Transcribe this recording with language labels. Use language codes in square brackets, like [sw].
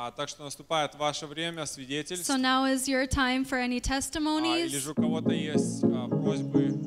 [ru] Так что наступает ваше время свидетельств. [en] So now is your time for any testimonies. [ru] Или же у кого-то есть просьбы.